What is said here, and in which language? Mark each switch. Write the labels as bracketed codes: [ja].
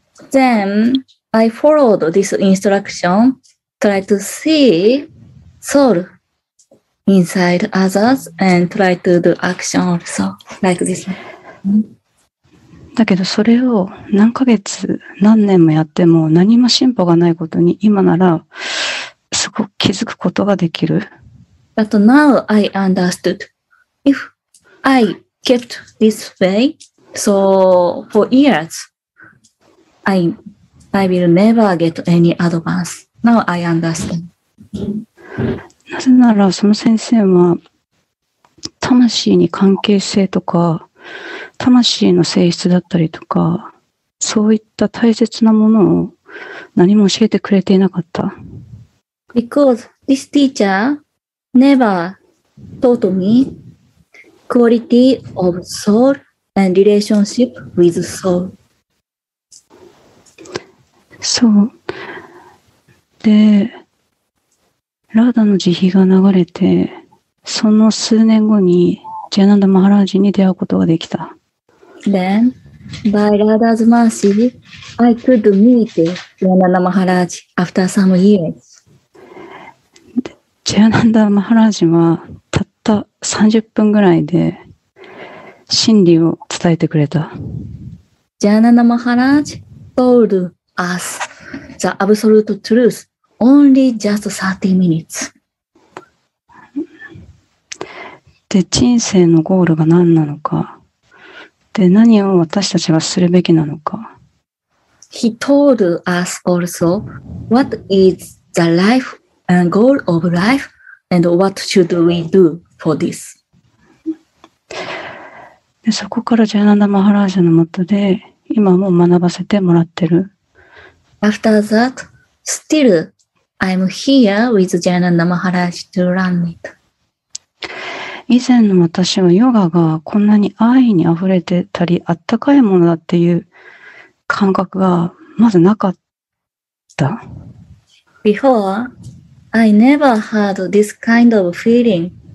[en] Then I followed this instruction, try to see soulinside others and try to do action also like this. [ja] だけどそれを何ヶ月何年もやっても何も進歩がないことに今ならすごく気づくことができる。 [en] But now I understood. If I kept this way, so for years, I will never get any advance. Now I understand. [ja] なぜなら、その先生は、魂に関係性とか、魂の性質だったりとか、そういった大切なものを何も教えてくれていなかった。 [en] Because this teacher never taught me quality of soul and relationship with soul. [ja] そう。で、ラーダの慈悲が流れて、その数年後にジャナンダ・マハラージに出会うことができた。 [en] Then, by Radha's mercy, I could meet ジャナンダ・マハラージ after some years. [ja] ジャナンダ・マハラージはたった30分ぐらいで真理を伝えてくれた。 [en] ジャナンダ・マハラージ told us the absolute truth. Only just 30 minutes. [ja] で、人生のゴールが何なのか。で、何を私たちはするべきなのか。 [en] He told us also what is the life and goal of life and what should we do for this. [ja] で、そこからジャナンダ・マハラージャのもとで今も学ばせてもらってる。 [en] After that, still I'm here with Jananda Maharaj to learn it. [ja] 以前の私はヨガがこんなに愛にあふれてたりあったかいものだっていう感覚がまずなかった。 [en] Before, I never had this kind of feeling.